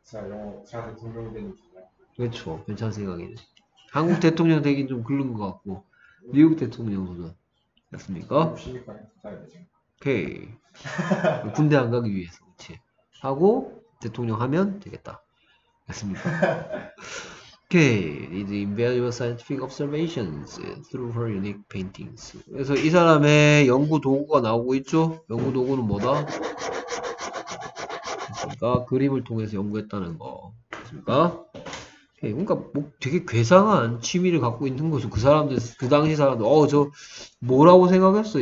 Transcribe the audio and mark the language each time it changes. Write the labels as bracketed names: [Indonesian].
[Korean] 자, 영어 잘 적용되는 중이야. 그렇죠. 괜찮은 생각이네. 한국 대통령 되긴 좀 그런 것 같고. 미국 대통령도 됐습니까? 60일까지 기다려야 되지. 오케이. 군대 안 가기 위해서. 그치. 하고 대통령 하면 되겠다. 됐습니까? 오케이. Okay. [English] These invaluable scientific observations through her unique paintings. [Korean] 그래서 이 사람의 연구 도구가 나오고 있죠? 연구 도구는 뭐다? 그러니까 그림을 통해서 연구했다는 거. 그러니까 뭔가 뭐 되게 괴상한 취미를 갖고 있는 거죠. 그 사람들, 그 당시 사람들. 저 뭐라고 생각했어?